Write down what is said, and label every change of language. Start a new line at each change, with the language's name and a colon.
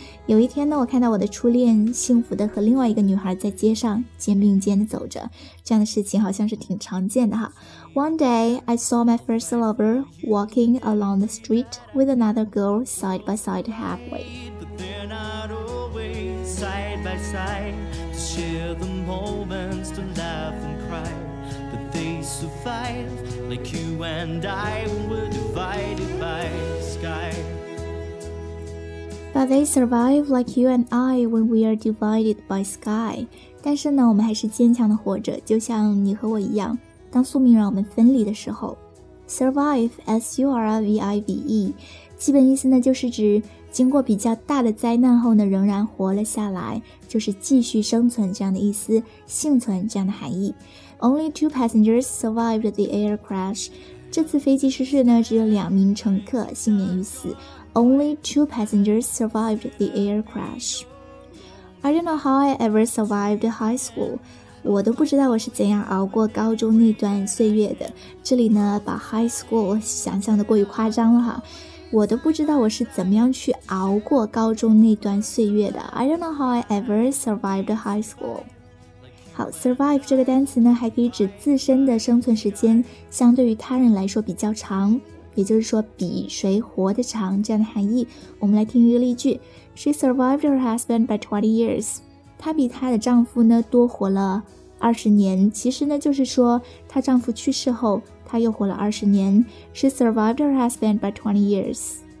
Chinese: 有一天呢我看到我的初恋幸福的和另外一个女孩在街上肩并肩的走着这样的事情好像是挺常见的哈
English: One day I saw my first lover walking along the street with another girl side by side happily But they're not always side by side To share the moments to laughThey survive like you and I when we're divided by the sky. But they survive like you and I when we are divided by sky.
Chinese: 但是呢，我们还是坚强地活着，就像你和我一样，当宿命让我们分离的时候。 Survive, S-U-R-I-V-I-V-E, 基本意思呢就是指经过比较大的灾难后呢仍然活了下来，就是继续生存这样的意思，幸存这样的含义。
English: Only two passengers survived the air crash.
Chinese: 这次飞机失事呢只有两名乘客幸免于死。
English: Only two passengers survived the air crash. I don't know how I ever survived high school.
Chinese: 我都不知道我是怎样熬过高中那段岁月的这里呢把 high school 想象的过于夸张了哈我都不知道我是怎么样去熬过高中那段岁月的
English: I don't know how I ever survived high school
Chinese: 好 survive 这个单词呢还可以指自身的生存时间相对于他人来说比较长也就是说比谁活得长这样的含义我们来听一个例句
English: She survived her husband by 20 years
Chinese: 她比她的丈夫呢多活了二十年其实呢就是说她丈夫去世后她又活了二十年 She survived her husband by 20 years